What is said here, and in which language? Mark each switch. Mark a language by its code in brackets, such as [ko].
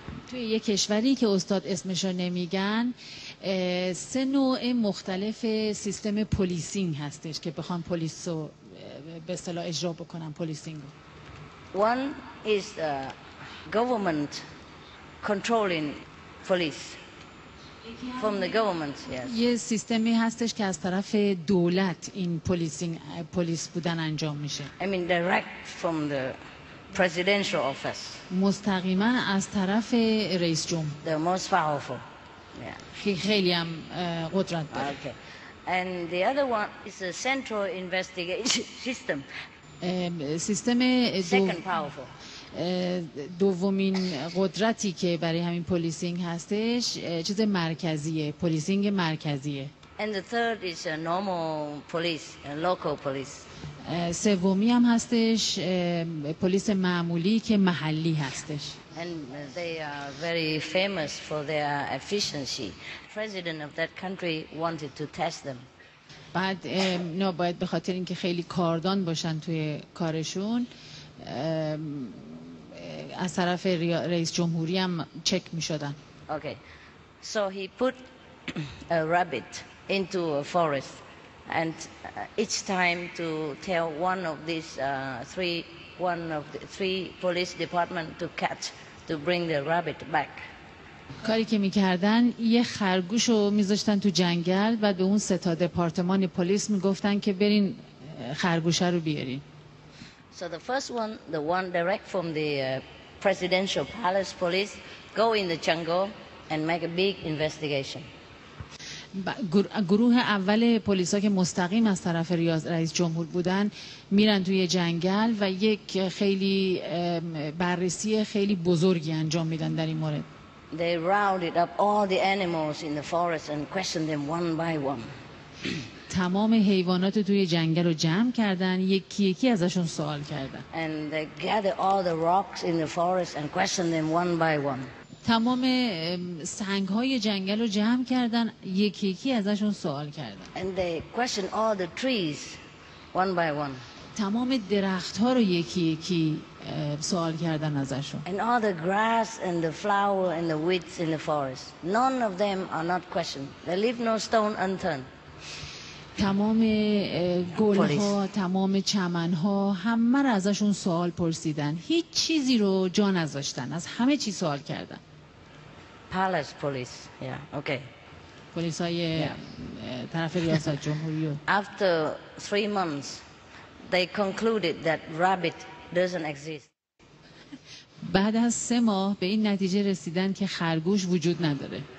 [fa] توی یک کشوری که استاد اسمش رو نمیگن سه نوع مختلف سیستم پلیسینگ هستش که بخوان پلیس رو به اصطلاح اجرا بکنن پلیسینگ رو. [en] One is the government controlling police from the government. Yes. [fa] یه سیستمی هستش که از طرف دولت این پلیسینگ پلیس بودن انجام میشه. [en] I mean direct from the presidential office. [fa] مستقیما از طرف رئیس جمهور. [en] The most powerful. Yeah. [fa] خیلی هم قدرت داره. Okay. [en] And the other one is a central investigation system. [fa] سیستم [en] second powerful. [fa] دومین قدرتی که برای همین پلیسینگ هستش چیز مرکزیه، پلیسینگ مرکزیه. [en] And the third is a normal police, a local police. [fa] سومی هم هستش پلیس معمولی که محلی هستش. [en] And they are very famous for their efficiency. President of that country wanted to test them. [fa] بعد نه باید به خاطر اینکه خیلی کاردان باشن توی کارشون از طرف رئیس جمهوری هم چک می‌شدن. [en] Okay. So he put a rabbit into a forest. And each time to tell one of these three police department to catch, to bring the rabbit back. [fa] کاری که می‌کردن یه خرگوش رو می‌ذاشتن تو جنگل و به اون سه تا دپارتمان پلیس می‌گفتن که برین خرگوشه رو بیارین. [en] So the first one, the one direct from the presidential palace police, go in the jungle and make a big investigation. [fa] گروه اول پلیسا که مستقیم از طرف رئیس جمهور بودن میرن توی جنگل و یک خیلی بررسی خیلی بزرگی انجام میدن در این مورد. [en] They rounded up all the animals in the forest and questioned them one by one. [fa] تمام حیوانات توی جنگل رو جمع کردن، یکی یکی ازشون سوال کردن. [en] And they gathered all the rocks in the forest and questioned them one by one. [fa] تمام سنگ‌های جنگل رو جمع کردن، یکی یکی ازشون سوال کردن. [en] And they questioned all the trees one by one. [fa] تمام درخت‌ها رو یکی یکی سوال کردن ازشون. [en] And all the grass and the flower and the weeds in the forest. None of them are not questioned. They leave no stone unturned. [fa] تمام گل‌ها، تمام چمن‌ها، همه رو ازشون سوال پرسیدن. هیچ چیزی رو جا نذاشتن. از همه چی سوال کردن. [en] Palace police. Yeah. Okay. [fa] پلیس‌های طرف ریاست جمهوری. [en] After 3 months they concluded that rabbit doesn't exist. [fa] بعد از 3 ماه به این نتیجه رسیدن که خرگوش وجود نداره.